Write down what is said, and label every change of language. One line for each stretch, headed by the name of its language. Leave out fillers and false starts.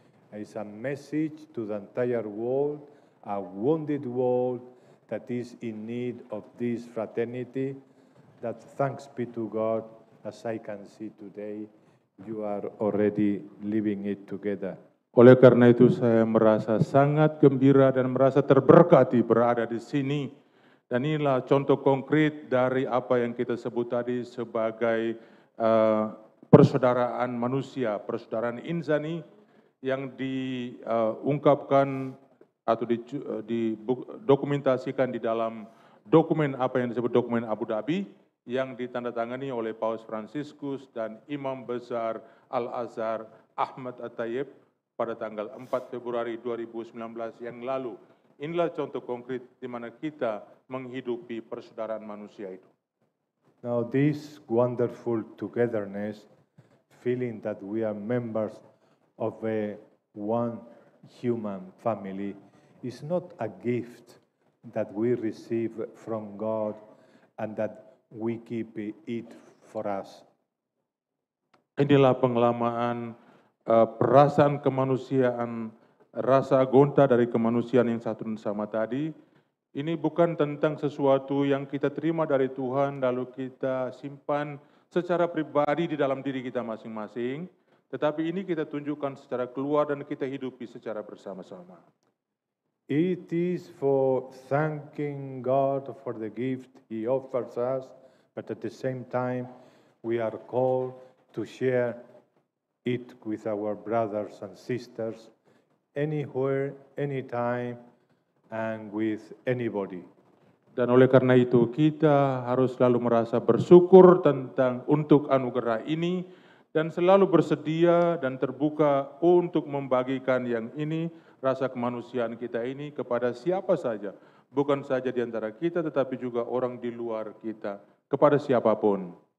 English: It's a message to the entire world, a wounded world that is in need of this fraternity, that thanks be to God, as I can see today, you are already living it together.
Indonesian: Oleh karena itu, saya merasa sangat gembira dan merasa terberkati berada di sini. Dan inilah contoh konkret dari apa yang kita sebut tadi sebagai persaudaraan manusia, persaudaraan insani yang diungkapkan atau didokumentasikan di dalam dokumen apa yang disebut dokumen Abu Dhabi yang ditandatangani oleh Paus Fransiskus dan Imam Besar Al-Azhar Ahmad At-Tayyib pada tanggal 4 Februari 2019 yang lalu. Inilah contoh konkret di mana kita menghidupi persaudaraan manusia itu.
English: Now this wonderful togetherness, feeling that we are members of a one human family, is not a gift that we receive from God and that we keep it for us.
Indonesian: Inilah pengalaman perasaan kemanusiaan, rasa gonta dari kemanusiaan yang satu dan sama tadi. Ini bukan tentang sesuatu yang kita terima dari Tuhan lalu kita simpan secara pribadi di dalam diri kita masing-masing, tetapi ini kita tunjukkan secara keluar dan kita hidupi secara bersama-sama.
English: It is for thanking God for the gift He offers us, but at the same time we are called to share it with our brothers and sisters anywhere, anytime, and with anybody.
Indonesian: Dan oleh karena itu kita harus selalu merasa bersyukur tentang untuk anugerah ini dan selalu bersedia dan terbuka untuk membagikan yang ini, rasa kemanusiaan kita ini, kepada siapa saja, bukan saja di antara kita tetapi juga orang di luar kita, kepada siapapun.